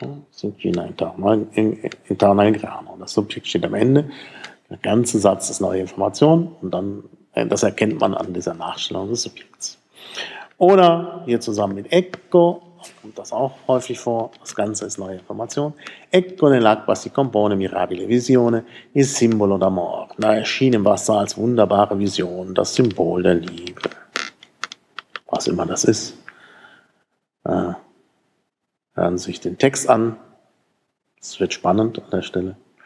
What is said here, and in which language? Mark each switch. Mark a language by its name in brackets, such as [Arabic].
[Italian] Sinchina intorno in grano. [German] Das Subjekt steht am Ende, der ganze Satz ist neue Information und dann, das erkennt man an dieser Nachstellung des Subjekts. Oder hier zusammen mit Ecco, kommt das auch häufig vor, das Ganze ist neue Information. [Italian] Ecco nell'acqua si compone mirabile visione, il simbolo d'amor. [German] Da erschien im Wasser als wunderbare Vision das Symbol der Liebe. Was immer das ist. Hören Sie sich den Text an. Es wird spannend an der Stelle.